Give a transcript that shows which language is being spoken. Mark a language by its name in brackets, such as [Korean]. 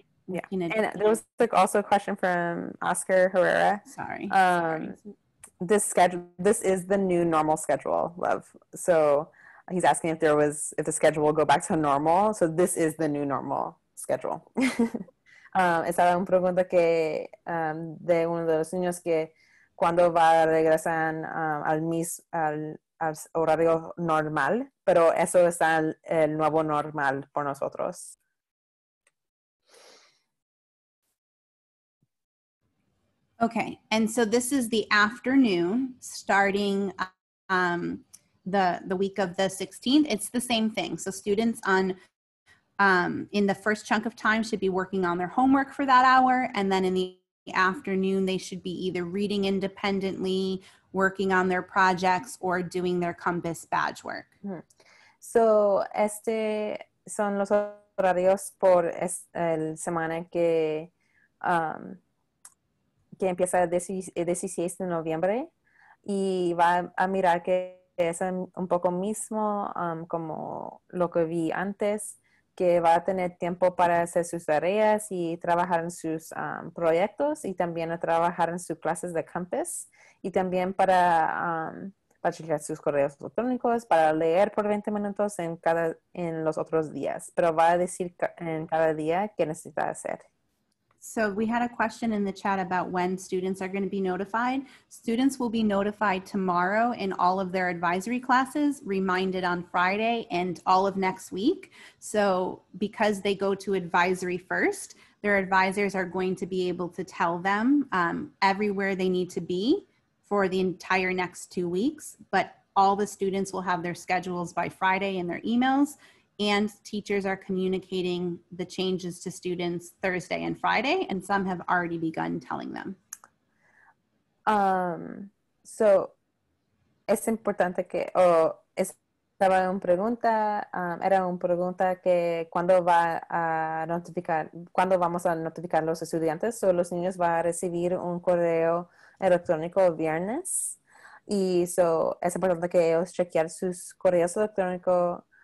[English] Yeah, and there was also a question from Oscar Herrera. Sorry. This schedule, this is the new normal schedule, love. So he's asking if there was, if the schedule will go back to normal. So this is the new normal schedule. [Spanish] Estaba un pregunta que de uno de los niños que cuando va a regresar al horario normal, pero eso está el nuevo normal por nosotros. [English] Okay, and so this is the afternoon starting the week of the 16th. It's the same thing. So students on in the first chunk of time should be working on their homework for that hour. And then in the afternoon, they should be either reading independently, working on their projects, or doing their Compass badge work. [Spanish] So este son los horarios por el semana que... que empieza el 16 de noviembre y va a mirar que es un poco mismo como lo que vi antes, que va a tener tiempo para hacer sus tareas y trabajar en sus proyectos y también a trabajar en sus clases de campus y también para chequear sus correos electrónicos, para leer por 20 minutos en los otros días. Pero va a decir en cada día qué necesita hacer. [English] So we had a question in the chat about when students are going to be notified. Students will be notified tomorrow in all of their advisory classes, reminded on Friday and all of next week. So because they go to advisory first, their advisors are going to be able to tell them everywhere they need to be for the entire next 2 weeks. But all the students will have their schedules by Friday in their emails. And teachers are communicating the changes to students Thursday and Friday, and some have already begun telling them. [Spanish] So, es importante que, estaba una pregunta, era una pregunta que cuando va a notificar, cuando vamos a notificar los estudiantes, so los niños van a recibir un correo electrónico viernes, y so, es importante que ellos chequear sus correos electrónicos